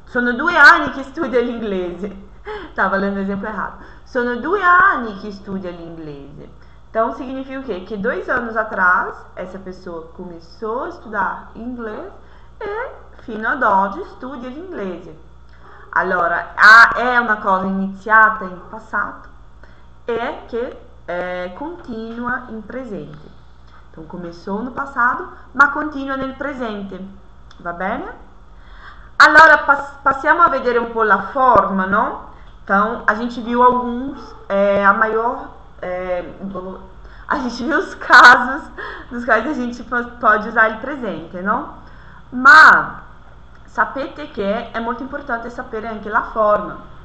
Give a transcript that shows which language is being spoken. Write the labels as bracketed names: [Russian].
[Italian] Sono 2 anni che studia l'inglese. Stavo valendo l'esempio errato. Sono 2 anni che studia l'inglese. [Portuguese] Então, significa o quê? Que 2 anos atrás, essa pessoa começou a estudar inglês e [Italian] fino ad oggi studia l'inglese. Allora, è una cosa iniziata in passato e che continua in presente. [Portuguese] Então, começou no passato, [Italian] ma continua nel presente. Va bene? Allora, passiamo a vedere un po' la forma, no? [Portuguese] Então, a gente viu alguns, a maior. A gente viu os casos nos quais a gente pode usar o presente, não? Mas, [Italian] sapete [Portuguese] que é muito importante saber [Italian] anche la forma.